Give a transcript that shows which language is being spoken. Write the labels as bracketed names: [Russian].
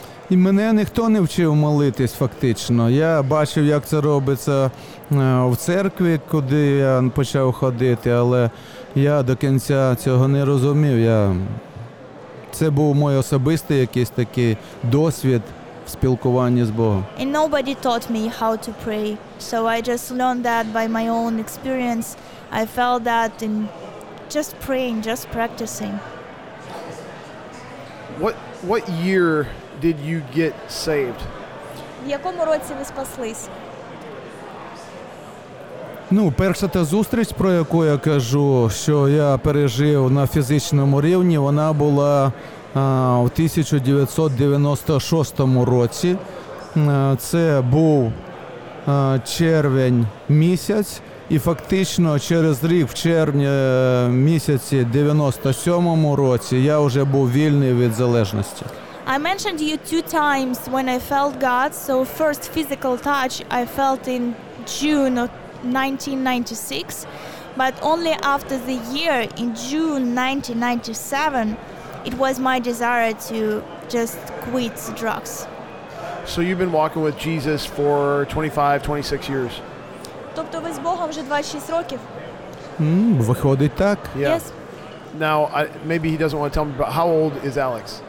[Ukrainian] І мене ніхто не вчив молитись фактично. Я бачив, як це робиться в церкві, куди я почав ходити, але я до кінця цього не розумів. Це був мій особистий якийсь такий досвід в спілкуванні з Богом. [English] And nobody taught me how to pray. So I just learned that by my own experience. I felt that in just praying, just practicing. What year did you get saved? [Ukrainian] В якому році ви спаслись? Ну, перша та зустріч, про яку я кажу, що я пережив на фізичному рівні, вона була в 1996 році. Це був червень місяць, і фактично через рік в червні місяці 97 році я вже був вільний від залежності. [English] I mentioned you two times when I felt God. So first physical touch I felt in June of 1996, but only after the year in June 1997, it was my desire to just quit the drugs. So you've been walking with Jesus for 25, 26 years. [Ukrainian] Тобто ви з Богом вже 26 років? Виходить так. [English] Yes. Now, maybe he doesn't want to tell me, but how old is Alex?